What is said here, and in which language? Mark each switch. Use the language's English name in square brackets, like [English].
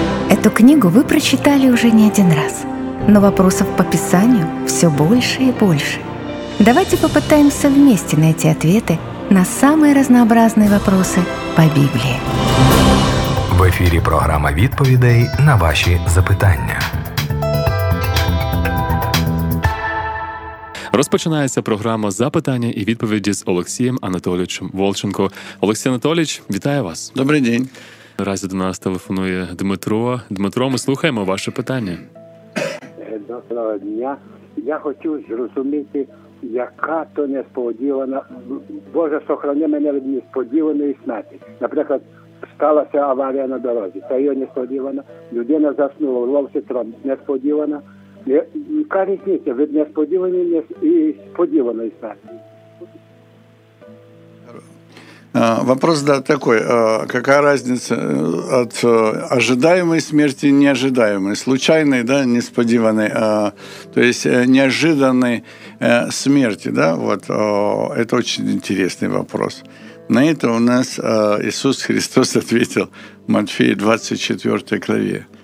[Russian] Эту книгу вы прочитали уже не один раз, но вопросов по Писанию все больше и больше. Давайте попытаемся вместе найти ответы на самые разнообразные вопросы по Библии. В эфире программа «Відповідей» на ваши запитання. [Ukrainian] Розпочинається програма «Запитання і відповіді» з Олексієм Анатолійовичем Волченко. Олексій Анатолійович, вітаю вас. Добрий день. Наразі до нас телефонує Дмитро. Дмитро, ми слухаємо ваше питання. Доброго дня. Я хочу зрозуміти, яка то несподівана... Боже, сохрани мене від несподіваної смерті. Наприклад, сталася аварія на дорозі. Та її несподівана. Людина заснула, ловці тром. Несподівана. Яка різниця від несподіваної і сподіваної смерті? [Russian] Вопрос, да, такой. Какая разница от ожидаемой смерти и неожидаемой? Случайной, да, несподеванной, то есть неожиданной смерти, да? Вот, это очень интересный вопрос. На это у нас Иисус Христос ответил в Матфея 24 главе.